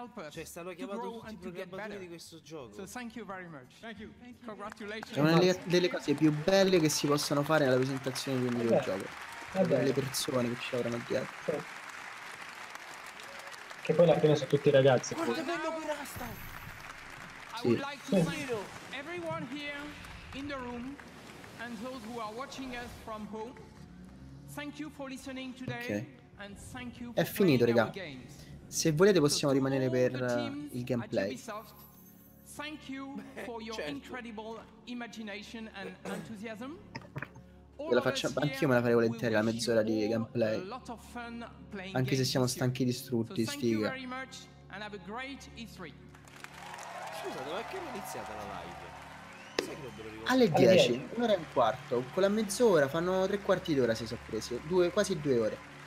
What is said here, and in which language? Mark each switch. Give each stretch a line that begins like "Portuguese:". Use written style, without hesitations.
Italian: Cioè, stanno chiamando tutti i programmatori di questo gioco.
English: So thank you very much. Thank you. Thank you. Congratulations.
Italian: È una delle cose più belle che si possono fare alla presentazione di un videogioco. Le persone che ci avranno dietro. Che poi la prima sono tutti i ragazzi. Guarda che bello pirasta! Sì.
English: Everyone here in the room and those who are watching us from home. Thank you for listening today. Okay. And thank you for...
Italian: È finito, raga. Se volete possiamo rimanere per il gameplay.
English: Thank you for your incredible imagination and enthusiasm.
Italian: Io la faccio, anch'io me la farei volentieri la mezz'ora di gameplay. Anche se siamo stanchi distrutti, sfiga. Scusa, dove è che è iniziata la live? Sai che non te lo ricordo. Alle 10, un'ora e un quarto, con la mezz'ora fanno tre quarti d'ora, si sono presi, quasi due ore.